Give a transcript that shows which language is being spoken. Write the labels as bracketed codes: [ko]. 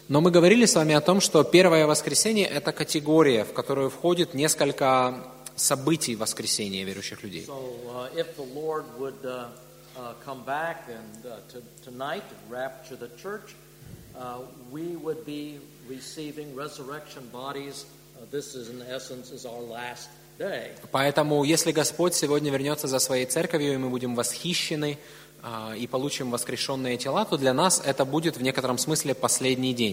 [ru] Но мы говорили с вами о том, что первое воскресение – это категория, в которую входит несколько событий воскресения верующих людей. [en] So, if the Lord would come back and tonight rapture the church, we would be receiving resurrection bodies. This is in essence is our last day. [ru] Поэтому, если Господь сегодня вернется за своей церковью, и мы будем восхищены и получим воскрешенные тела, то для нас это будет в некотором смысле последний